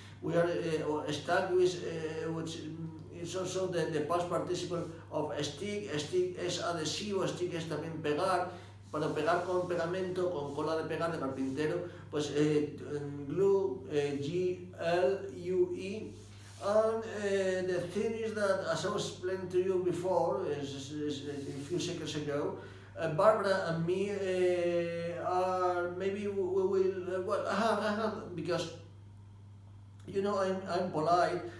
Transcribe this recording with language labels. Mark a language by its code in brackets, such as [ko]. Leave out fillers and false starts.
[en] We are stuck with, which it's also the past participle of stick. [es] Stick es adhesivo, stick es también pegar, para pegar con pegamento, con cola de pegar de carpintero, pues glue, G-L-U-E. [en] And the thing is that, as I was explaining to you before, a few seconds ago, Barbara and me are, maybe we will, well, because, you know, I'm polite.